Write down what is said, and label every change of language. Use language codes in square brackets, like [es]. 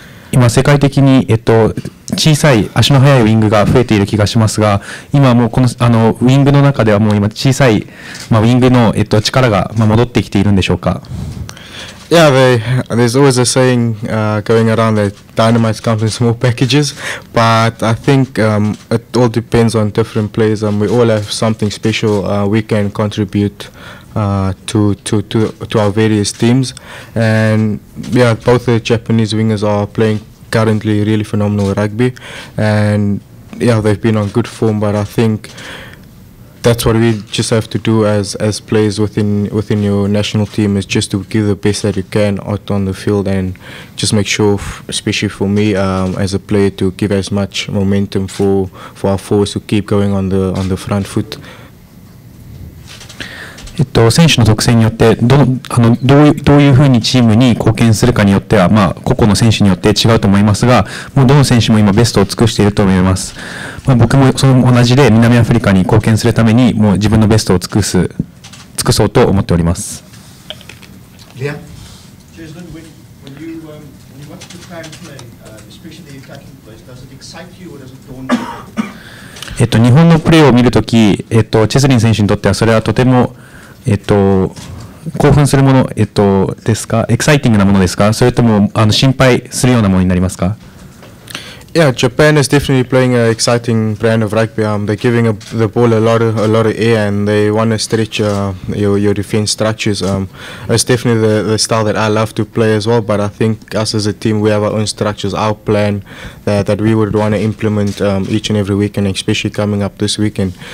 [ja] 今世界的に、小さい足の速いウイングが増えている気がしますが、今もうこの、あのウイングの中ではもう今小さい、まあ、ウイングの、力が、まあ、戻ってきているんでしょうか？ [en] Yeah, there's always a saying going around that dynamite comes in small packages, but I think it all depends on different players, and we all have something special we can contribute to our various teams. And yeah, both the Japanese wingers are playing currently really phenomenal rugby, and yeah, they've been on good form, but I think that's what we just have to do as players within your national team, is just to give the best that you can out on the field, and just make sure, especially for me as a player, to give as much momentum for our force to keep going on the front foot. [ja] 選手の特性によって どういうふうにチームに貢献するかによっては、まあ、個々の選手によって違うと思いますが、もうどの選手も今ベストを尽くしていると思います。まあ、僕もそれも同じで、南アフリカに貢献するためにもう自分のベストを尽くそうと思っております。リア、日本のプレーを見るとき、チェスリン選手にとってはそれはとても興奮するもの、ですか、エキサイティングなものですか、それともあの心配するようなものになりますか？ [en] Yeah, Japan is definitely playing an exciting brand of rugby. They're giving the ball a lot of air, and they want to stretch your defense structures. It's definitely the style that I love to play as well, but I think us as a team, we have our own structures, our plan that we would want to implement each and every weekend, especially coming up this weekend.